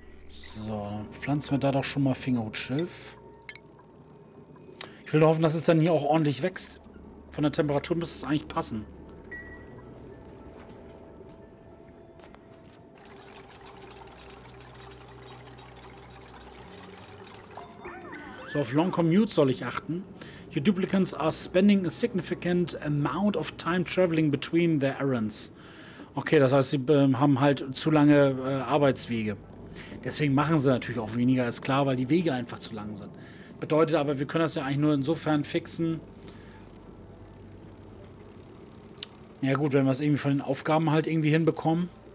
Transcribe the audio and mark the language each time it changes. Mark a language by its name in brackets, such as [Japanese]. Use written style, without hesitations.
[German] So, dann pflanzen wir da doch schon mal Fingerhutschilf. Ich will nur hoffen, dass es dann hier auch ordentlich wächst. Von der Temperatur müsste es eigentlich passen. So, auf Long Commute soll ich achten. [English] Your duplicants are spending a significant amount of time traveling between their errands. [German] Okay, das heißt, sie haben halt zu lange Arbeitswege. Deswegen machen sie natürlich auch weniger, ist klar, weil die Wege einfach zu lang sind. Bedeutet aber, wir können das ja eigentlich nur insofern fixen. Ja gut, wenn wir es irgendwie von den Aufgaben halt irgendwie hinbekommen.